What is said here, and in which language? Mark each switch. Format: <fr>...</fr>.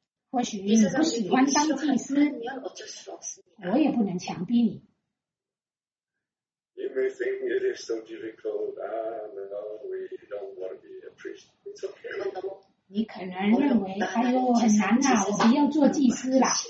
<zh>或许你不喜欢当祭司，我也不能强逼你。</zh> <en>You may think it is so difficult. No, we don't want to be a priest. It's okay.</en> <zh>你可能认为，哎呦，很难呐，我不要做祭司了。</zh>